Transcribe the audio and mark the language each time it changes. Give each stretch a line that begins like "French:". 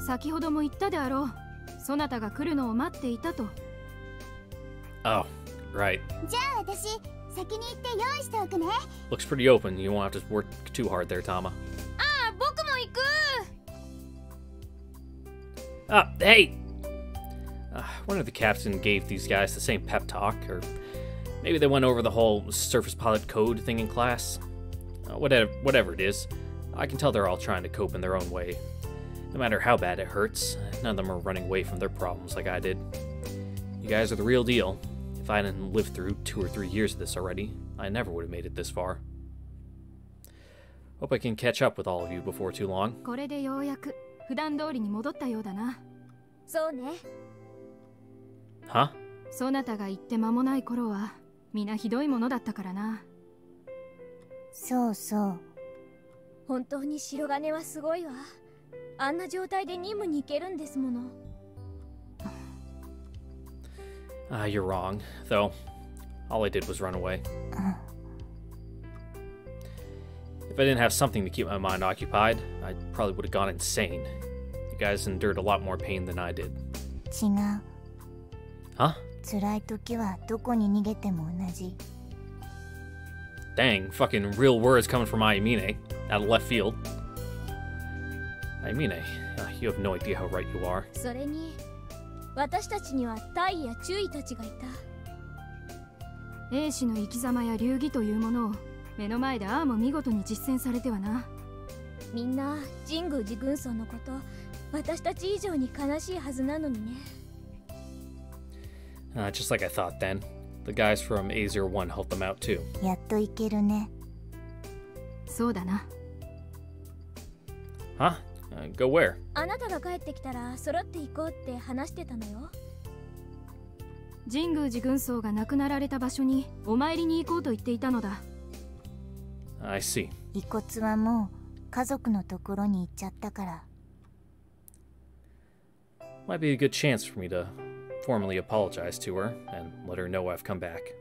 Japanese: 先ほども言ったであろう。そなたが来るのを待っていたと。
English: Oh, right.
Japanese: じゃあ私、先に行って用意しておくね。
English: Looks pretty open. You won't have to work too hard there, Tama.
Japanese: ああ、僕も行く。
English: Hey! I wonder if the captain gave these guys the same pep talk, or maybe they went over the whole surface pilot code thing in class. Whatever it is, I can tell they're all trying to cope in their own way. No matter how bad it hurts, none of them are running away from their problems like I did. You guys are the real deal. If I hadn't lived through 2 or 3 years of this already, I never would have made it this far. Hope I can catch up with all of you before too long.
Japanese: これでようやく普段通りに戻ったようだな。そうね。
English: Huh?
Japanese: そなたが言って間もない頃は、みんなひどいものだったからな。そうそう。本当に白金はすごいわ。あんな状態で任務に行けるんですもの。
English: You're wrong, though. All I did was run away. If I didn't have something to keep my mind occupied, I probably would have gone insane. You guys endured a lot more pain than I did.
Japanese: 違う。
English: Huh?
Japanese: 辛い時はどこに逃げても同じ。
English: Dang, fucking real words coming from Ayumine, out of left field. Ayumine, you have no idea how right you are.
Japanese: それに、私たちにはタイやチュイたちがいた。英氏の生き様や流儀というものを目の前でアーも見事に実践されてはな。みんな、神宮寺軍曹のこと、私たち以上に悲しいはずなのにね。
English: Just like I thought then. The guys from Azure One helped them out too.
Japanese: やっと行けるね。そうだな。
English: Huh? Go where?
Japanese: あなたが帰ってきたら揃って行こうって話してたのよ。神宮寺軍曹が亡くなられた場所にお参りに行こうと言っていたのだ。
English: I see.
Japanese: 遺骨はもう家族のところに行っちゃったから。
English: Might be a good chance for me to... formally apologize to her and let her know I've come back.